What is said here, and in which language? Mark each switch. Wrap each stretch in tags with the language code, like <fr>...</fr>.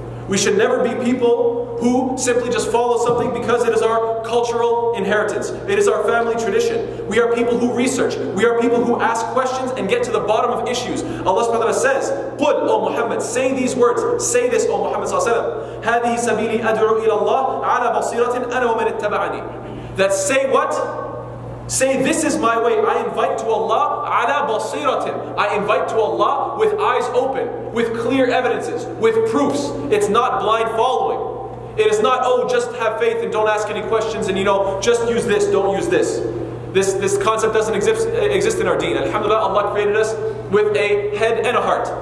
<en>We should never be people who simply just follow something because it is our cultural inheritance. It is our family tradition. We are people who research. We are people who ask questions and get to the bottom of issues. Allah subhanahu wa ta'ala says, قُلْ O Muhammad, say these words. Say this, O Muhammad sallallahu alayhi wa sallam.</en> <ar>هَذِهِ سَبِيلِي أَدْعُوا إِلَى اللَّهِ عَلَى بَصِيرَةٍ أَنَا وَمَنِ اتَّبَعَنِي</ar> <en>That say what? Say, this is my way. I invite to Allah, ala basiratin. I invite to Allah with eyes open, with clear evidences, with proofs. It's not blind following. It is not, oh, just have faith and don't ask any questions and, you know, just use this, don't use this. This concept doesn't exist in our deen. Alhamdulillah, Allah created us with a head and a heart.</en>